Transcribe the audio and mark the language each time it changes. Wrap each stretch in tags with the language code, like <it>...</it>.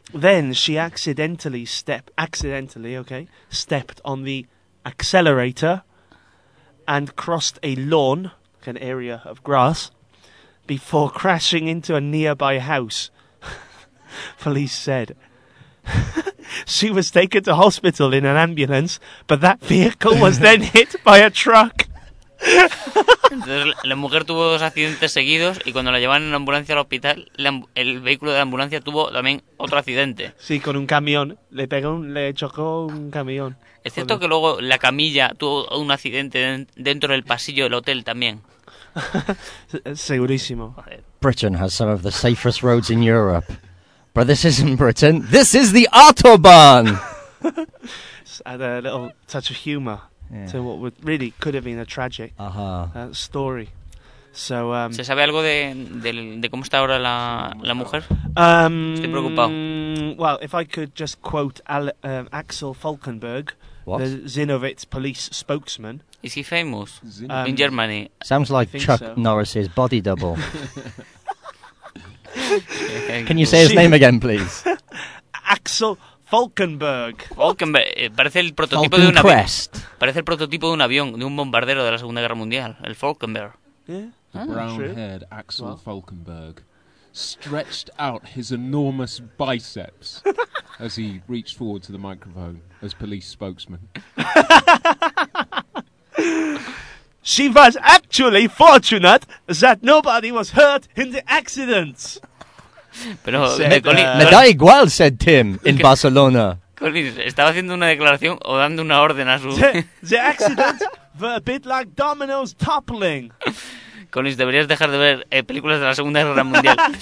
<en>Then she accidentally stepped on the accelerator and crossed a lawn, like an area of grass, before crashing into a nearby house, police said. She was taken to hospital in an ambulance, but that vehicle was then hit by a truck.</en> <es>Entonces, la mujer tuvo 2 accidentes seguidos y cuando la llevaron en ambulancia al hospital, el vehículo de la ambulancia tuvo también otro accidente. Sí, con un camión. Le chocó un camión. Es cierto que luego la camilla tuvo un accidente dentro del pasillo del hotel también. Segurísimo.</es> <en>Britain has some of the safest roads in Europe. But this isn't Britain. This is the Autobahn! Had a little touch of humour. Yeah. To what would really could have been a tragic story. So,</en> <es>¿se sabe algo de cómo está ahora la mujer? Estoy preocupado.</es> <en>Well, if I could just quote Axel Falkenberg. What? The Zinovitz police spokesman. Is he famous in Germany? Sounds like Chuck Norris's body double. Can you say his name again, please? Axel Falkenberg.</en> <es>Falkenberg. Parece el prototipo de un avión. Parece el prototipo de un avión, de un bombardero de la Segunda Guerra Mundial. El Falkenberg.</es> <en>Yeah. The brown-haired Axel Falkenberg stretched out his enormous biceps as he reached forward to the microphone as police spokesman. She was actually fortunate that nobody was hurt in the accident.</en> <es>Pero me da igual,</es> <en>said Tim, in Barcelona.</en> <es>Colin, estaba haciendo una declaración o dando una orden a su...</es> <en>The accident was a bit like dominoes toppling.</en> <es>Colin, deberías dejar de ver películas de la Segunda Guerra Mundial.</es>